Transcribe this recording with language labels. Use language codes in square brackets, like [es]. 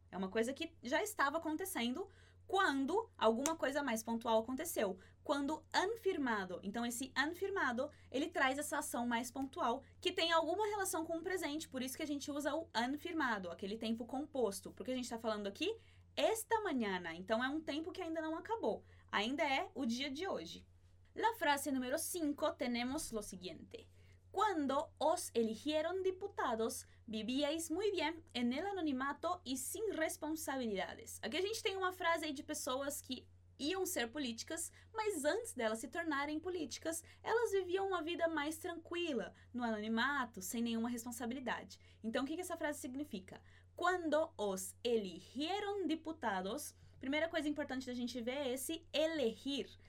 [pt] É uma coisa que já estava acontecendo quando alguma coisa mais pontual aconteceu. Quando han firmado. Então, esse han firmado, ele traz essa ação mais pontual que tem alguma relação com o presente. Por isso que a gente usa o han firmado, aquele tempo composto. Porque a gente está falando aqui esta mañana. Então, é um tempo que ainda não acabou. Ainda é o dia de hoje. [es] La frase número 5 tenemos lo siguiente. Cuando os eligieron diputados, vivíais muy bien en el anonimato y sin responsabilidades. [pt] Aqui a gente tem uma frase aí de pessoas que iam ser políticas, mas antes delas se tornarem políticas, elas viviam uma vida mais tranquila, no anonimato, sem nenhuma responsabilidade. Então, o que essa frase significa? [es] Cuando os eligieron diputados, [pt] primeira coisa importante da gente ver é esse elegir.